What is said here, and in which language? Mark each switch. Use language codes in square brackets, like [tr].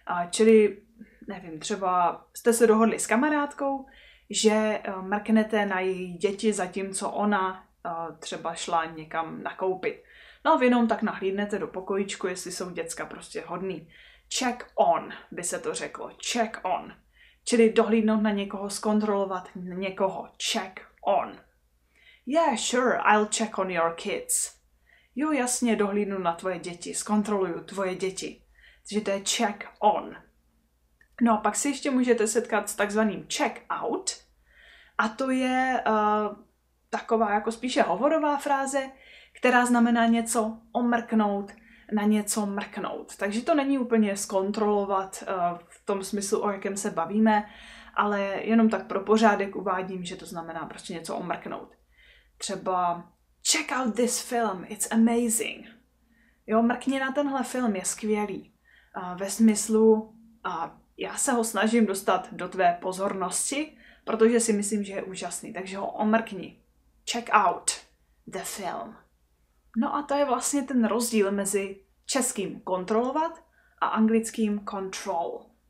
[cs] Čili, nevím, třeba jste se dohodli s kamarádkou, že mrknete na její děti, zatímco ona třeba šla někam nakoupit. No a vy jenom tak nahlídnete do pokojíčku, jestli jsou děcka prostě hodný. Check on, by se to řeklo, check on. Čili dohlídnout na někoho, zkontrolovat někoho. Check on. [en] Yeah, sure, I'll check on your kids. [cs] Jo, jasně, dohlídnu na tvoje děti, zkontroluju tvoje děti. Takže to je check on. No a pak si ještě můžete setkat s takzvaným check out. A to je taková jako spíše hovorová fráze, která znamená něco omrknout, na něco mrknout. Takže to není úplně zkontrolovat v tom smyslu, o jakém se bavíme, ale jenom tak pro pořádek uvádím, že to znamená prostě něco omrknout. Třeba [en] check out this film, it's amazing. [cs] Jo, mrkni na tenhle film, je skvělý. Ve smyslu, já se ho snažím dostat do tvé pozornosti, protože si myslím, že je úžasný, takže ho omrkni. [en] Check out the film. [cs] No a to je vlastně ten rozdíl mezi českým kontrolovat a anglickým control.